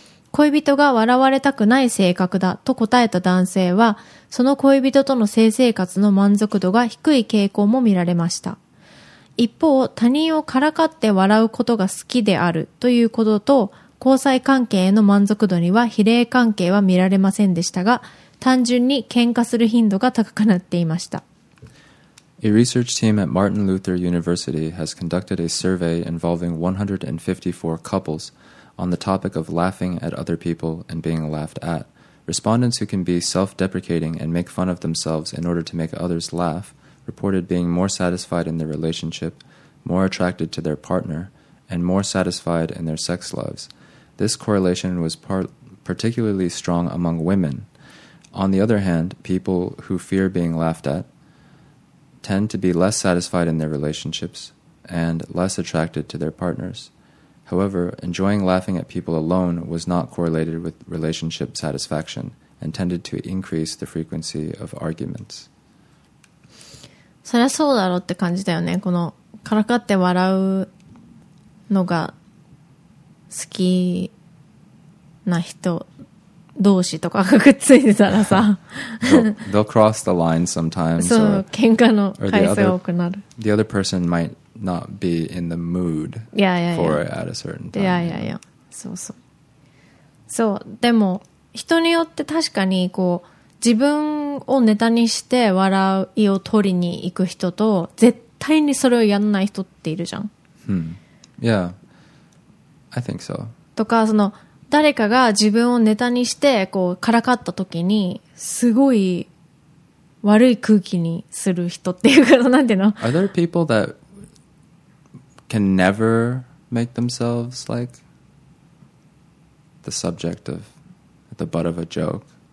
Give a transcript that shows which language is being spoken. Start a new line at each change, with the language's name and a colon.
Japanese: 恋人が笑われたくない性格だと答えた男性はその恋人との性生活の満足度が低い傾向も見られました。一方、他人をからかって笑うことが好きであるということと交際関係への満足度には比例関係は見られませんでしたが、単純に喧嘩する頻度が高くなっていました。
English: A research team at Martin Luther University has conducted a survey involving 154 couples on the topic of laughing at other people and being laughed at. Respondents who can be self-deprecating and make fun of themselves in order to make others laugh reported being more satisfied in their relationship, more attracted to their partner, and more satisfied in their sex lives. This correlation was particularly strong among women. On the other hand, people who fear being laughed at tend to be less satisfied in their relationships and less attracted to their partners. However, enjoying laughing at people alone was not correlated with relationship satisfaction and tended to increase the frequency of arguments.
Japanese: そりゃそうだろうって感じだよね。このからかって笑うのが好きな人同士とかがくっついてたらさ、
English: they'll cross the line sometimes.
Japanese: そう、喧嘩の回数多くなる。
English: The other person might not be in the mood for it at a certain time. Yeah, yeah, yeah.
Japanese: そうそう。そう、でも人によって確かにこう自分をネタにして笑いを取りに行く人と絶対にそれをやんない人っているじゃん。
English: Yeah, I think so.
Japanese: とかその。誰かが自分をネタにしてこうからかった時にすごい悪い空気にする人っていうか、なんていうの、
English: Are there people that can never make themselves like the subject of the butt of a joke?